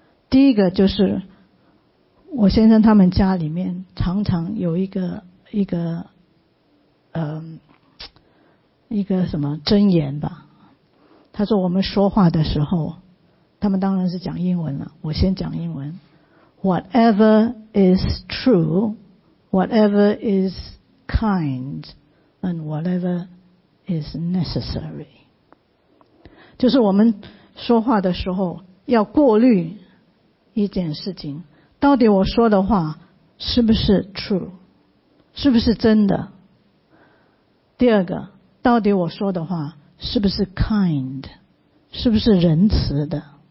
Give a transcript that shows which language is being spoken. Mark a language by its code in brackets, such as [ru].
[zh] 第一个就是我先生他们家里面常常有一个什么箴言吧。他说我们说话的时候，他们当然是讲英文了，我先讲英文。 [en] Whatever is true, whatever is kind, and whatever is necessary. [zh] 就是我们说话的时候要过滤一件事情，到底我说的话是不是 true， 是不是真的？第二个，到底我说的话是不是 kind， 是不是仁慈的？